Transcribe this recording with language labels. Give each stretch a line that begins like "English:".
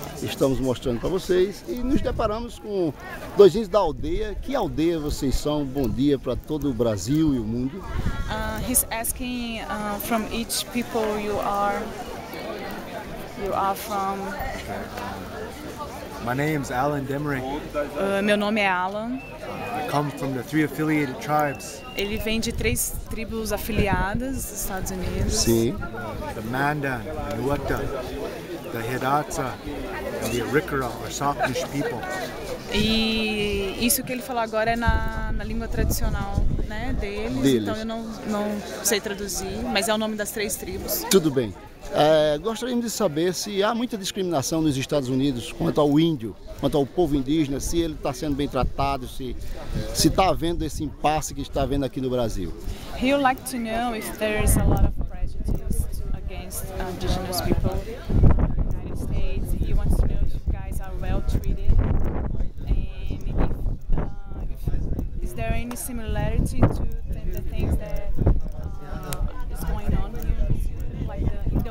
Portuguese: Estamos mostrando para vocês e nos deparamos com dois índios da aldeia. Que aldeia vocês são? Bom dia para todo o Brasil e o mundo.
English: He's asking from each people you are from. My name is Alan Demering.
Portuguese: Meu nome é Alan.
English: I come from the three affiliated tribes.
Portuguese: Ele vem de três tribos afiliadas dos Estados Unidos. Sim.
English: The Mandan, the Nuota, the Hidatsa, and the Arikara, or Soknish people.
Portuguese: E isso que ele falou agora é na língua tradicional, né, deles. Então eu não sei traduzir, mas é o nome das três tribos. Tudo bem. Gostaríamos de saber se há muita discriminação nos Estados Unidos quanto ao índio, quanto ao povo indígena, se ele está sendo bem tratado, se está havendo esse impasse que está havendo aqui no Brasil.
English: He would like to know if there is a lot of prejudice against indigenous people in the United States. He wants to know if you guys are well treated and is there any similarity to the things that is going on here?